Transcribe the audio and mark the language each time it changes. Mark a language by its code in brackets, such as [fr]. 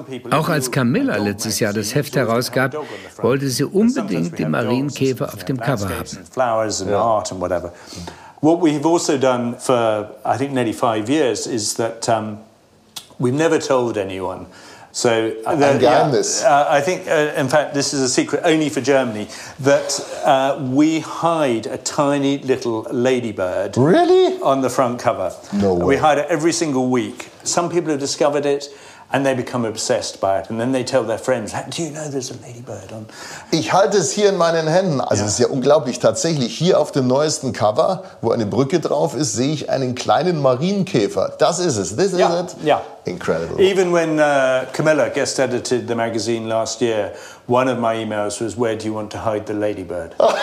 [de] Auch als Camilla letztes Jahr das Heft herausgab, wollte sie unbedingt den Marienkäfer auf dem Cover haben. [en] What we have also done for I think nearly 5 years is that we've never told anyone. So [de] ein Geheimnis. [en] I think in fact this is a secret only for Germany that we hide a tiny little ladybird really on the front cover. No way. We hide it every single week. Some people have discovered it and they become obsessed by it and then they tell their friends, "Do you know there's a ladybird on?" [de] Ich halte es hier in meinen Händen. Also es ist ja unglaublich tatsächlich hier auf dem neuesten Cover, wo eine Brücke drauf ist, sehe ich einen kleinen Marienkäfer. Das ist es. [en] This is it. Yeah. Incredible. Even when Camilla guest edited the magazine last year, one of my emails was, "Where do you want to hide the ladybird?"